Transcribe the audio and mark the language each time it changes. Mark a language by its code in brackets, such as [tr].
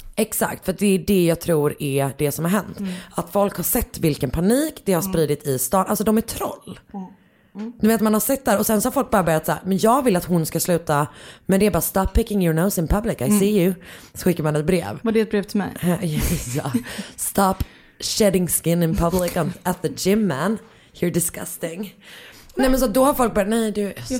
[sv] Exakt, för det är det jag tror är det som har hänt. Mm. Att folk har sett vilken panik det har spridit i stan. Alltså de är troll. Mm. Du vet, man har sett där och sen så har folk bara börjat säga, men jag vill att hon ska sluta. Men det är bara, [en] stop picking your nose in public, I see you. [sv] Så skickar man ett brev. Var det ett brev till mig? Ja. [en] Stop shedding skin in public at the gym, man. You're disgusting. [sv] Nej, men så då har folk bara, nej du,